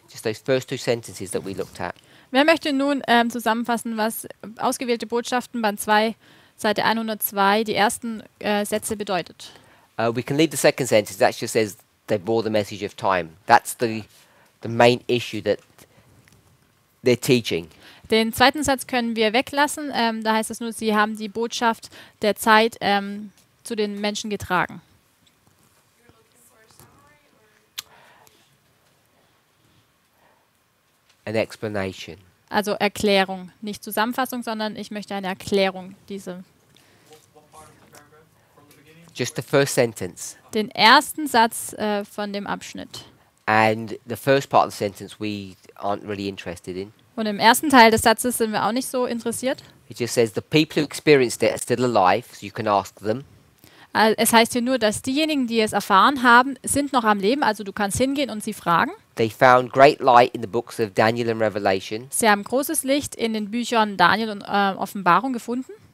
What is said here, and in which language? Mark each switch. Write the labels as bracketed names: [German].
[English] Just those first two sentences that we looked at. [German] Wer möchte nun zusammenfassen, was ausgewählte Botschaften Band 2 Seite 102 die ersten Sätze bedeutet? [English] We can leave the second sentence. That just says they bore the message of time. That's the main issue that they're teaching. [German] Den zweiten Satz können wir weglassen. Da heißt es nur, sie haben die Botschaft der Zeit zu den Menschen getragen. [English] An explanation. [German] Also Erklärung, nicht Zusammenfassung, sondern ich möchte eine Erklärung diese. [English] Just the first sentence. [German] Den ersten Satz von dem Abschnitt. [English] And the first part of the sentence we aren't really interested in. [German] Und im ersten Teil des Satzes sind wir auch nicht so interessiert. [English] It just says the people who experienced it are still alive, so you can ask them. [German] Es heißt hier nur, dass diejenigen, die es erfahren haben, sind noch am Leben, also du kannst hingehen und sie fragen. [English] They found great light in the books of Daniel and Revelation. [German] Sie haben großes Licht in den Büchern Daniel und Offenbarung gefunden.